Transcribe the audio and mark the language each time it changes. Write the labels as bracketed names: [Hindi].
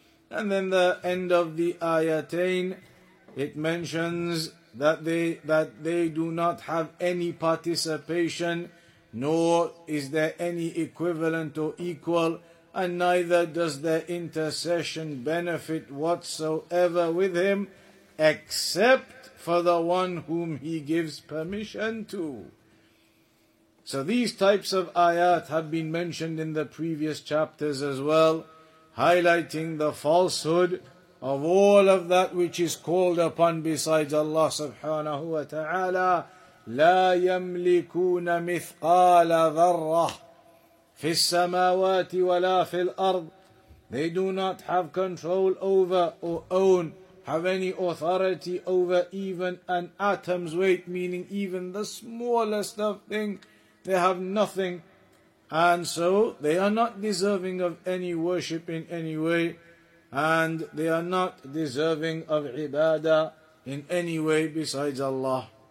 [English] And then the end of the ayatain, it mentions that they do not have any participation, nor is there any equivalent or equal, and neither does their intercession benefit whatsoever with him, except for the one whom he gives permission to. So these types of ayat have been mentioned in the previous chapters as well, highlighting the falsehood of all of that which is called upon besides Allah subhanahu wa ta'ala. [Arabic] لا يملكون مثقال ذرة في السماوات ولا في الأرض. [English] They do not have control over or own, have any authority over even an atom's weight, meaning even the smallest of things. They have nothing. And so they are not deserving of any worship in any way, and they are not deserving of ibadah in any way besides Allah.